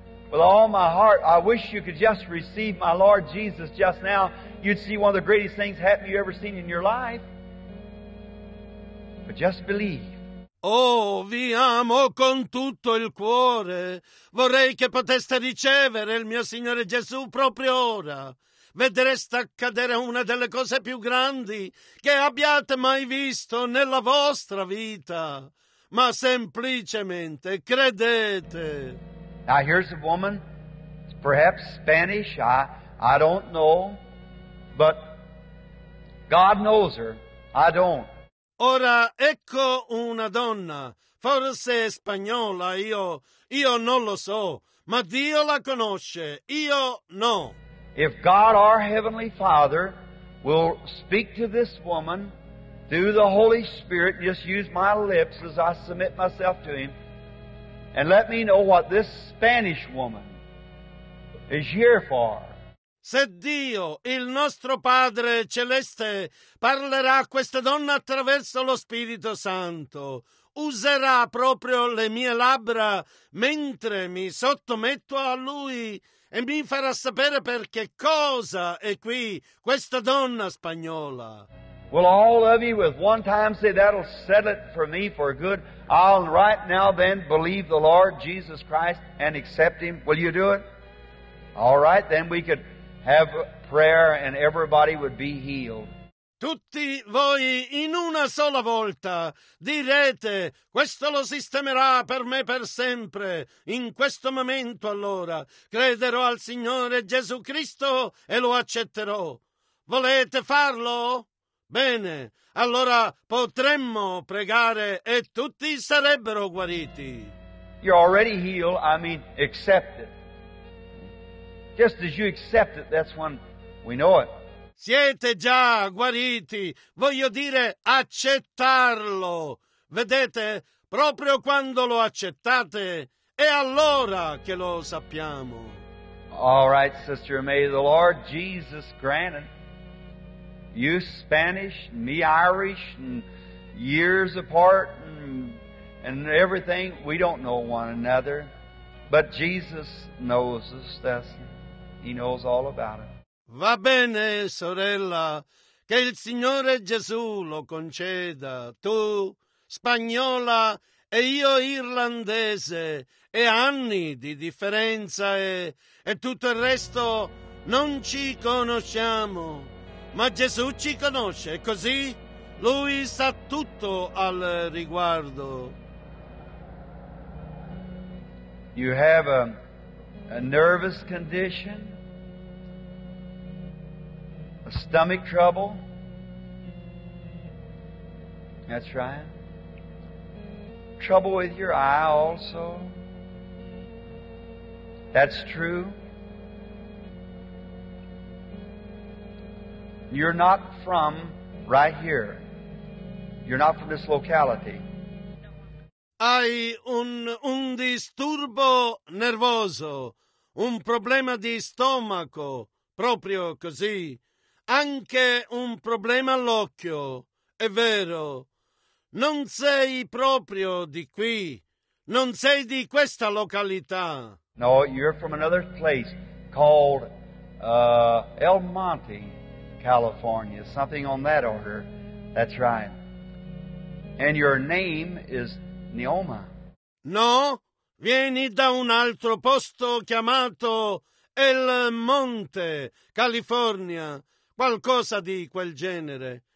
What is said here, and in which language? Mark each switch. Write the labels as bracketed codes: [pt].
[en] With all my heart, I wish you could just receive my Lord Jesus just now. You'd see one of the greatest things happen you've ever seen in your life. But just believe. [it] Oh, vi amo con tutto il cuore. Vorrei che poteste ricevere il mio Signore Gesù proprio ora. Vedreste accadere una delle cose più grandi che abbiate mai visto nella vostra vita. Ma semplicemente credete. [en] Now, here's a woman, perhaps Spanish, I don't know, but God knows her. I don't. [it] Ora, ecco una donna, forse spagnola, io non lo so, ma Dio la conosce, io no. [en] If God, our Heavenly Father, will speak to this woman through the Holy Spirit, just use my lips as I submit myself to Him, and let me know what this Spanish woman is here for. [it] Se Dio, il nostro Padre Celeste, parlerà a questa donna attraverso lo Spirito Santo, userà proprio le mie labbra mentre mi sottometto a Lui e mi farà sapere per che cosa è qui questa donna spagnola. [en] Will all of you with one time say, that'll settle it for me for good. I'll right now then believe the Lord Jesus Christ and accept Him. Will you do it? All right, then we could have prayer and everybody would be healed. [it] Tutti voi in una sola volta direte, questo lo sistemerà per me per sempre. In questo momento allora crederò al Signore Gesù Cristo e lo accetterò. Volete farlo? Bene, allora potremmo pregare e tutti sarebbero guariti. [en] You're already healed, I mean accepted. Just as you accept it, that's when we know it. [it] Siete già guariti, voglio dire accettarlo. Vedete, proprio quando lo accettate, è allora che lo sappiamo. [en] All right, sister, may the Lord Jesus grant it. You Spanish, me Irish, and years apart, and everything, we don't know one another. But Jesus knows us, doesn't He? He knows all about it. [it] Va bene, sorella, che il Signore Gesù lo conceda. Tu, spagnola, e io irlandese, e anni di differenza, e tutto il resto, non ci conosciamo. Ma Gesù ci conosce, così Lui sa tutto al riguardo. [en] You have a nervous condition, a stomach trouble. That's right. Trouble with your eye also. That's true. You're not from right here. You're not from this locality. [it] Hai un disturbo nervoso, un problema di stomaco, proprio così. Anche un problema all'occhio, è vero. Non sei proprio di qui. Non sei di questa località. [en] No, you're from another place called El Monte. California, something on that order. That's right. And your name is Neoma. [it] No, vieni da un altro posto chiamato El Monte, California, qualcosa di quel genere.